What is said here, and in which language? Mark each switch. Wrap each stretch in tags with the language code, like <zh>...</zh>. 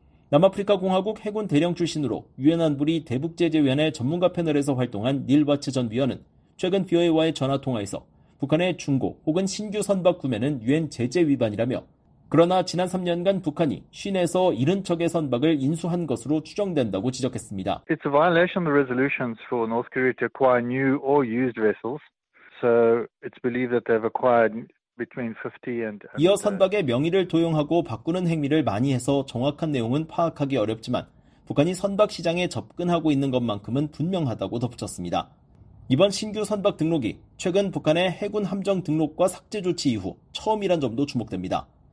<ko>남아프리카공화국 해군 대령 출신으로 유엔 안보리 대북제재위원회 전문가 패널에서 활동한 닐 바츠 전 위원은 최근 BOA와의 전화통화에서 북한의 중고 혹은 신규 선박 구매는 유엔 제재 위반이라며 그러나 지난 3년간 북한이 50에서 70척의 선박을 인수한 것으로 추정된다고 지적했습니다.</ko> <en>It's a violation of the resolutions for North Korea to acquire new or used vessels. So it's believed that they've acquired between 50 and</en> <ko>이어 선박의 명의를 도용하고 바꾸는 행위를 많이 해서 정확한 내용은 파악하기 어렵지만 북한이 선박 시장에 접근하고 있는 것만큼은 분명하다고 덧붙였습니다. 이번 신규 선박 등록이 최근 북한의 해군 함정 등록과 삭제 조치 이후 처음이란 점도 주목됩니다.</ko>